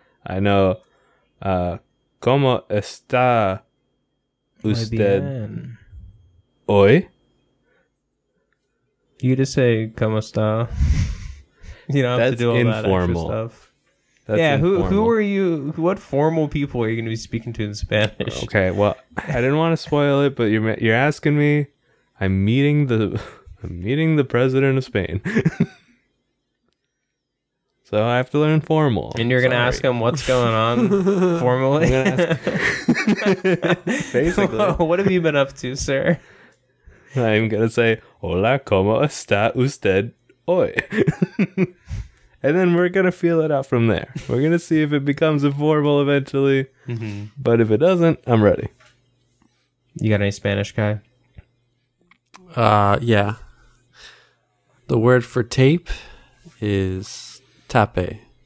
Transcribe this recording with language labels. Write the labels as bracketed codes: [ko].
[es] I know, ¿cómo está usted hoy? [en] You just say, [es] ¿cómo está? [en] You don't have to do all informal. That extra stuff. That's yeah, informal. Who are you? What formal people are you going to be speaking to in Spanish? Okay, well, I didn't want to spoil it, but you're asking me. I'm meeting the president of Spain, so I have to learn formal. And you're going to ask him what's going on formally. ask... Basically, well, what have you been up to, sir? I'm going to say, [es] "Hola, ¿cómo está usted hoy?" [en] And then we're going to feel it out from there. We're going to see if it becomes informal eventually. Mm-hmm. But if it doesn't, I'm ready. You got any Spanish, Kai? Yeah. The word for tape is tape.